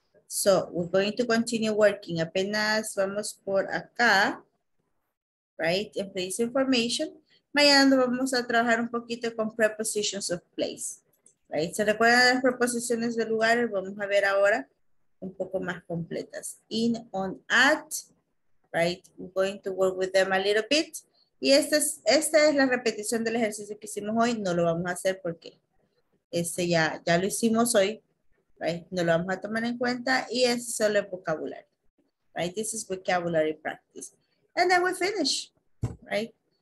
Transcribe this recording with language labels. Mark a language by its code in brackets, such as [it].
[en] So, we're going to continue working. Apenas vamos por acá, right, in place information. [es] Mañana vamos a trabajar un poquito con prepositions of place. Right? ¿Se recuerdan las preposiciones de lugares? Vamos a ver ahora un poco más completas. [en] In, on, at. Right? We're going to work with them a little bit. [es] Y esta es la repetición del ejercicio que hicimos hoy. No lo vamos a hacer porque ya lo hicimos hoy. Right? No lo vamos a tomar en cuenta. Y es solo el vocabulario. Right? [en] This is vocabulary practice. And then we finish. Right?